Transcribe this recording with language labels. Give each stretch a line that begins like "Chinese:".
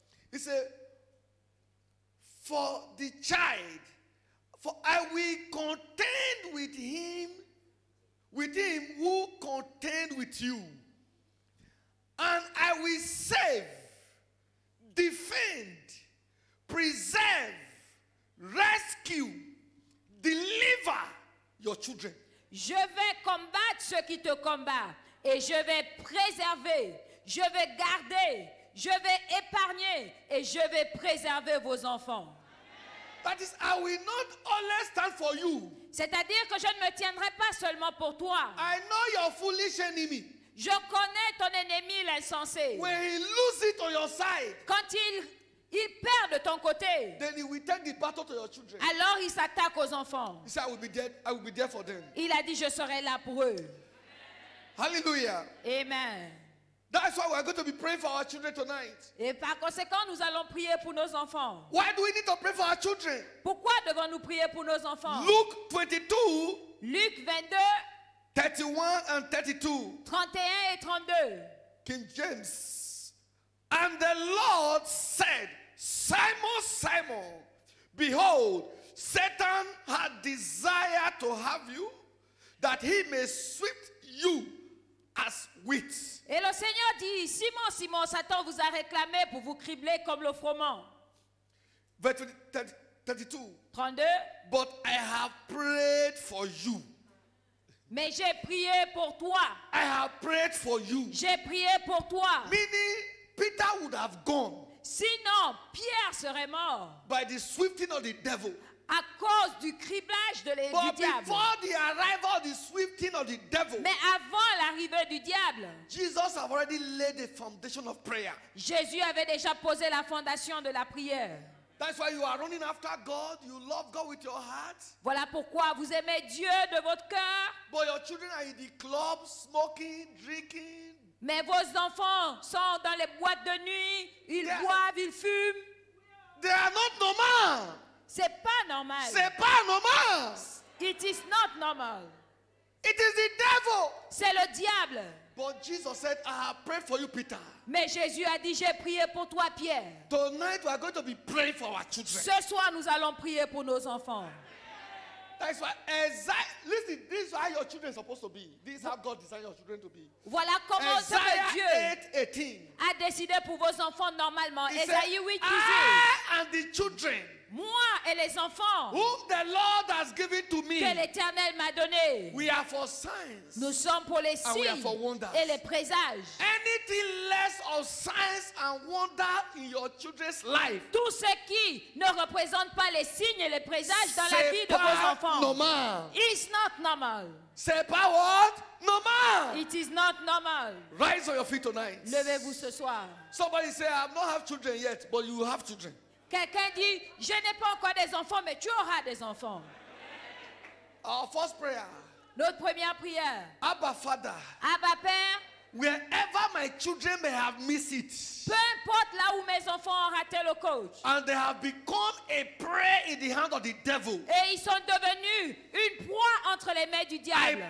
English: He said, for the child, for I will contend with him, who contend with you, and I will save, defend, preserve, rescue, deliver your children.
French: Je vais combattre ceux qui te combattent, et je vais préserver, je vais garder, je vais épargner, et je vais préserver vos enfants.
English: That is, I will not only stand for you.
French: C'est-à-dire que je ne me tiendrai pas seulement pour toi.
English: I know your foolish enemy.
French: Je connais ton ennemi, l'insensé.
English: When he loses it on your side,
French: quand il perd de ton côté,
English: then he will take the battle to your children.
French: Alors il s'attaque aux enfants.
English: He said, I will be there for them.
French: Il a dit, je serai là pour eux.
English: Hallelujah. Amen. That's why we're going to be praying for our children tonight.
French: Et par conséquent, nous allons prier pour nos enfants.
English: Why do we need to pray for our children?
French: Pourquoi devons-nous prier pour nos enfants?
English: Luke 22. Luke 22. 31 and 32.
French: 31 et 32.
English: King James. And the Lord said, Simon, Simon, behold, Satan had desire to have you, that he may sift you as wheat.
French: Et le Seigneur dit, Simon, Simon, Satan vous a réclamé pour vous cribler comme le froment.
English: 32. But I have prayed for you.
French: Mais j'ai prié pour toi.
English: I have prayed for you.
French: J'ai prié pour toi.
English: Meaning, Peter would have gone.
French: Sinon, Pierre serait mort.
English: By the swifting of the devil.
French: À cause du criblage de l'ennemi.
English: But before the arrival of the swifting of the devil,
French: mais avant l'arrivée du diable,
English: Jesus had already laid the foundation of prayer.
French: Jésus avait déjà posé la fondation de la prière.
English: That's why you are running after God. You love God with your heart.
French: Voilà pourquoi vous aimez Dieu de votre cœur.
English: But your children are in the club smoking, drinking.
French: Mais vos enfants sont dans les boîtes de nuit. Ils boivent, ils fument.
English: They are not normal.
French: C'est pas normal. C'est pas normal.
English: It is not normal. It is the devil.
French: C'est le diable.
English: But Jesus said, I have prayed for you, Peter.
French: Mais Jésus a dit, j'ai prié pour toi, Pierre.
English: Tonight we are going to be praying for our children.
French: Ce soir, nous allons prier pour nos enfants.
English: That's why Isaiah, listen, this is how your children are supposed to be. This is how God designed your children to be.
French: Voilà comment
English: Isaiah
French: Dieu 8:18 a décidé pour vos enfants normalement. Esaïe 8:18.
English: I and the children.
French: Moi et les enfants,
English: whom the Lord has given to me,
French: que l'Éternel m'a donné,
English: we are for signs,
French: nous sommes pour les signes
English: and we are for wonders.
French: Et les présages. Et
English: nothing less of signs and wonders in your children's life.
French: Tout ce qui ne représente pas les signes et les présages dans la vie de vos enfants.
English: Normal. It's not normal.
French: C'est pas
English: what?
French: Normal.
English: It is not normal. Rise on your feet tonight.
French: Levez-vous ce soir.
English: Somebody say, I have not have children yet, but you have children.
French: Quelqu'un dit, je n'ai pas encore des enfants, mais tu auras des enfants.
English: Our first prayer.
French: Notre première prière.
English: Abba Father.
French: Abba Père.
English: Wherever my children may have missed it.
French: Peu importe là où mes enfants ont raté le coach.
English: And they have become a prey in the hand of the devil.
French: Et ils sont devenus une proie entre les mains du diable.